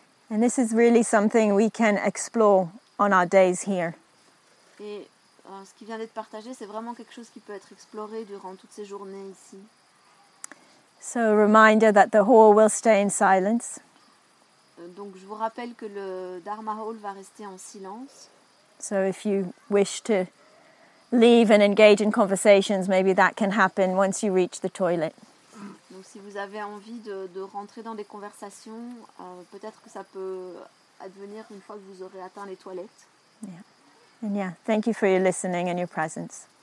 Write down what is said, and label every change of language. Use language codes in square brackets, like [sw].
[en] And this is really something we can explore on our days here. [fr] Et ce qui vient d'être partagé, c'est vraiment quelque chose qui peut être exploré durant toutes ces journées ici. [en] So a reminder that the hall will stay in silence. [fr] Donc je vous rappelle que le Dharma Hall va rester en silence. [en] So if you wish to leave and engage in conversations, maybe that can happen once you reach the toilet. [fr] Donc si vous avez envie de rentrer dans des conversations, peut-être que ça peut advenir une fois que vous aurez atteint les toilettes. [en] Yeah. And yeah, thank you for your listening and your presence.